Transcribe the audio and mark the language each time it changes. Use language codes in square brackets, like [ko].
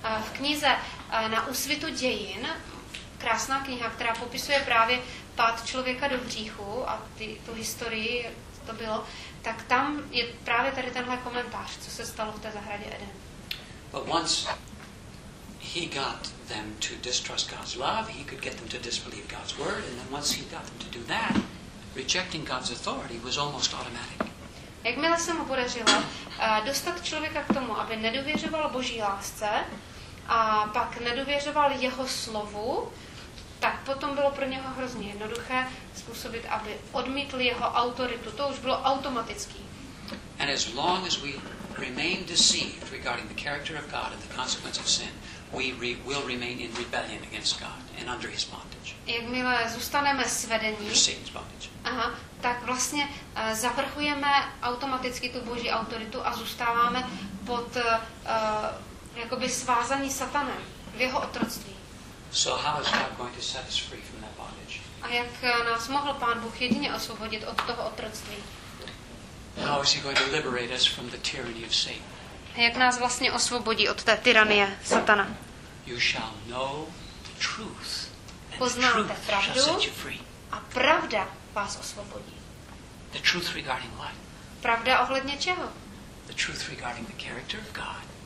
[cs] V knize Na úsvitu dějin, krásná kniha, která popisuje právě pád člověka do hříchu a tu historii, to bylo, tak tam je právě tady tenhle komentář, co se stalo v té zahradě Eden. [en] But once he got them to distrust God's love, he could get them to disbelieve God's word, and then once he got them to do that, rejecting God's authority was almost automatic. [cs] Jakmile se mu podařilo dostat člověka k tomu, aby nedověřoval Boží lásce a pak nedověřoval jeho slovu, tak potom bylo pro něho hrozně jednoduché způsobit, aby odmítl jeho autoritu. To už bylo automatický. [en] And as long as we remain deceived regarding the character of God and the consequence of sin, we will remain in rebellion against God and under his bondage. [cs] Jakmile zůstaneme svedení, tak vlastně zavrchujeme automaticky tu Boží autoritu a zůstáváme pod jakoby svázaní Satanem v jeho otroctví. [en] So how is God going to set us free from that bondage? [cs] A jak nás mohl Pán Bůh jedině osvobodit od toho otroctví? [en] How is he going to liberate us from the tyranny of Satan? [cs] Jak nás vlastně osvobodí od té tyranie Satana? [en] You shall know the truth, [cs] poznáte pravdu a pravda vás osvobodí. [en] The truth regarding what? [cs] Pravda ohledně čeho? [en] The truth regarding the character of God.